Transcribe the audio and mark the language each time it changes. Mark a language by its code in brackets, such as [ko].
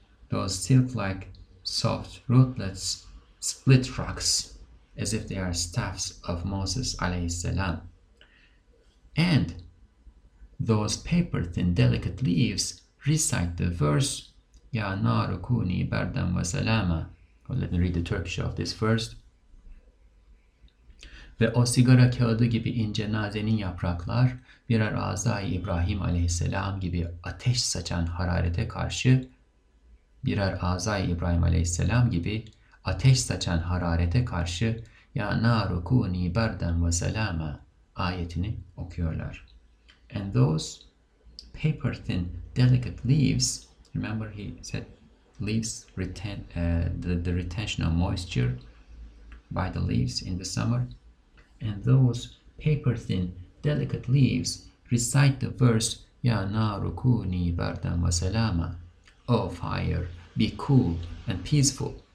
[en] Those silk-like soft rootlets, split rocks, as if they are staffs of Moses alayhi salam. And those paper thin delicate leaves recite the verse, [ar] Ya nar kuni bardan ve salama. [en] Well, let me read the Turkish of this first. [tr] Ve o sigara kağıdı gibi ince nazenin yapraklar, birer azay İbrahim aleyhisselam gibi ateş saçan hararete karşı, birer azay İbrahim aleyhisselam gibi ateş saçan hararete karşı, [ar] Ya nar kuni bardan ve salama [tr] ayetini okuyorlar. [en] And those paper thin delicate leaves, remember he said leaves retain the retention of moisture by the leaves in the summer, and those paper thin delicate leaves recite the verse, [ar] Ya naru kuni bardan wa salama, [en] O fire, be cool and peaceful.